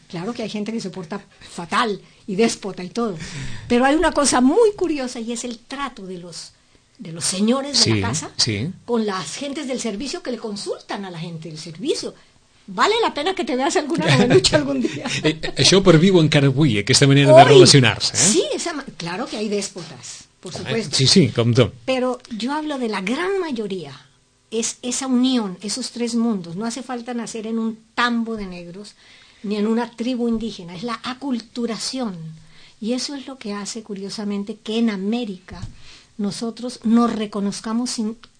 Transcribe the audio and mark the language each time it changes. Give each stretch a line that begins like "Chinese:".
Spanish: Claro que hay gente que se porta fatal y déspota y todo, pero hay una cosa muy curiosa y es el trato de los señores de la casa con las gentes del servicio, que le consultan a la gente del servicio. Vale la pena que te veas alguna lucha algún día.
Catalan: Això per viu encara avui, aquesta manera de relacionar-se. ¿Eh?
Spanish: Sí, claro que hay déspotas, por supuesto.
Catalan: Sí, sí, com tu.
Spanish: Pero yo hablo de la gran mayoría. Es esa unión, esos tres mundos. No hace falta nacer en un tambo de negros ni en una tribu indígena. Es la aculturación. Y eso es lo que hace, curiosamente, que en América nosotros nos reconocemos uh-huh.